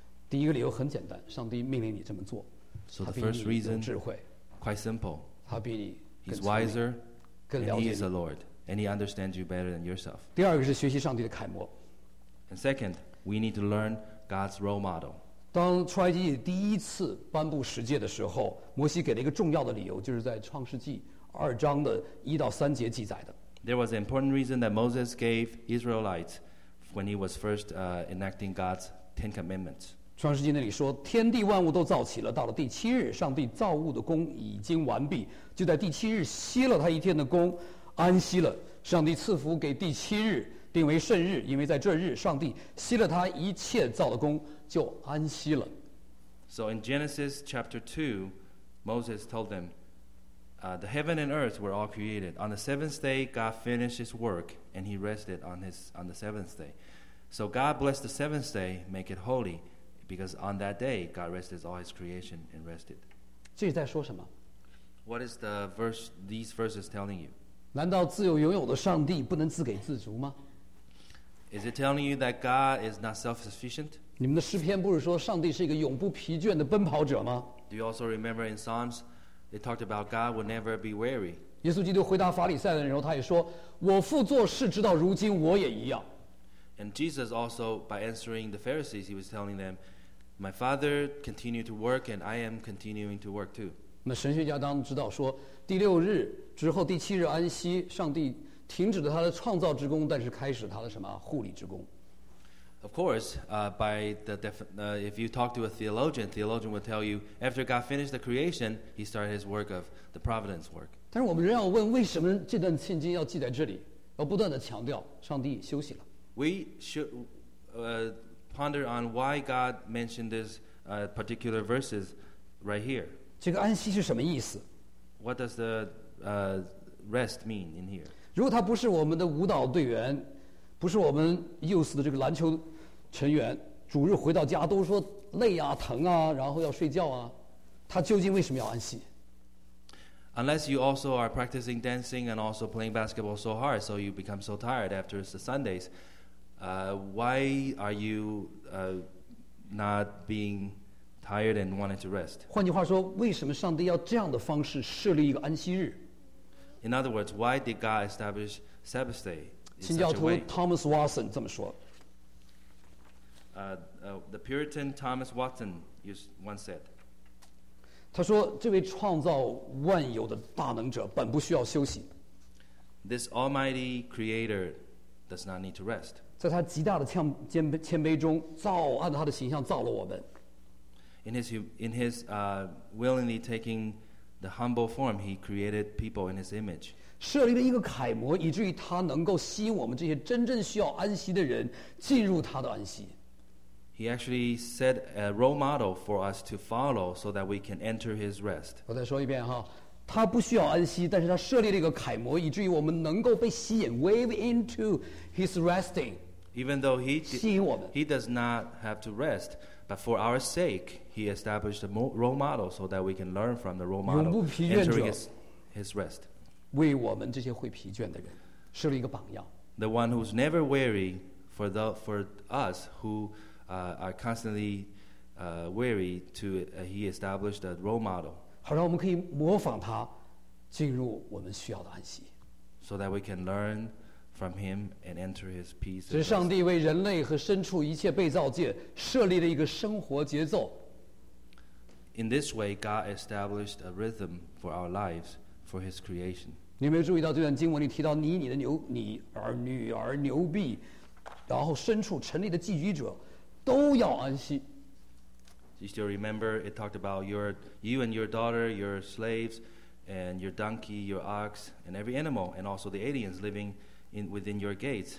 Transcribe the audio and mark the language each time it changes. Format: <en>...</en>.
<zh>第一个理由很简单，上帝命令你这么做。</zh> <en>So the first reason, quite simple.</en> <zh>他比你</zh> <en>He's wiser,</en> <zh>更了解你。</zh> <en>And he is the Lord, and he understands you better than yourself.</en> <zh>第二个是学习上帝的楷模。</zh> <en>And second, we need to learn God's role model.</en> <zh>当出埃及记第一次颁布十诫的时候，摩西给了一个重要的理由，就是在创世纪二章的一到三节记载的。</zh> <en>There was an important reason that Moses gave Israelites when he was first enacting God's Ten Commandments.</en> <zh>创世纪那里说，天地万物都造起了，到了第七日，上帝造物的工已经完毕，就在第七日歇了他一天的工，安息了。上帝赐福给第七日，定为圣日，因为在这日，上帝歇了他一切造的工，就安息了。</zh> <en>So in Genesis chapter 2, Moses told them, the heaven and earth were all created. On the seventh day, God finished his work, and he rested on the seventh day. So God blessed the seventh day, make it holy, because on that day, God rested all his creation and rested.</en> <zh>这是在说什么？</zh> <en>What is the verse, these verses telling you?</en> <zh>难道自由拥有的上帝不能自给自足吗？</zh> <en>Is it telling you that God is not self-sufficient?</en> <zh>你们的诗篇不是说上帝是一个永不疲倦的奔跑者吗？</zh> <en>Do you also remember in Psalms, they talked about God will never be weary?</en> <zh>耶稣基督回答法利赛人的时候，他也说，我父做事直到如今，我也一样。</zh> <en>And Jesus also, by answering the Pharisees, he was telling them, My Father continued to work, and I am continuing to work too.</en> <zh>那神学家当知道说，第六日之后第七日安息，上帝停止了他的创造之功，但是开始他的什么护理之功。</zh> <en>Of course, if you talk to a theologian will tell you, after God finished the creation, he started his work of the providence work.</en> <zh>但是我们仍要问，为什么这段圣经要记在这里，要不断地强调上帝休息了。</zh> <en>We should ponder on why God mentioned this particular verses right here.</en> <zh>这个安息是什么意思？</zh> <en>What does the rest mean in here?</en> <zh>如果他不是我们的舞蹈队员，不是我们幼师的这个篮球成员，主日回到家都说累啊、疼啊，然后要睡觉啊，他究竟为什么要安息？</zh> <en>Unless you also are practicing dancing and also playing basketball so hard, so you become so tired after the Sundays,why are you not being tired and wanting to rest?</en> <zh>换句话说，为什么上帝要这样的方式设立一个安息日？</zh> <en>In other words, why did God establish Sabbath day in such a way?</en> <zh>新教徒 Thomas Watson 这么说。</zh> <en>The Puritan Thomas Watson once said,</en> <zh>他说，这位创造万有的大能者本不需要休息。</zh> <en>This almighty creator does not need to rest.</en> <zh>在他极大的谦卑中造，按照他的形象造了我们。</zh> <en>In his willingly taking the humble form, he created people in his image.</en> <zh>设立了一个楷模，以至于他能够吸引我们这些真正需要安息的人进入他的安息。</zh> <en>He actually set a role model for us to follow so that we can enter his rest.</en> <zh>我再说一遍哈。他不需要安息，但是他设立了一个楷模，以至于我们能够被吸引</zh> <en>wave into his resting. Even though he does not have to rest, but for our sake, he established a role model so that we can learn from the role model.</en> <zh>永不疲倦者</zh> <en>his rest.</en> <zh>为我们这些会疲倦的人设立一个榜样。</zh> <en>The one who's never weary for us who are constantly weary he established a role model.</en> <zh>好让我们可以模仿他进入我们需要的安息。</zh> <en>So that we can learn from him and enter his peace.</en> <zh>这是上帝为人类和牲畜一切被造界设立的一个生活节奏。</zh> <en>In this way, God established a rhythm for our lives, for his creation.</en> <zh>你有没有注意到这段经文里提到你儿、女儿、牛婢，然后牲畜、城里的寄居者都要安息。</zh> <en>You still remember it talked about you and your daughter, your slaves, and your donkey, your ox, and every animal, and also the aliens living within your gates.</en>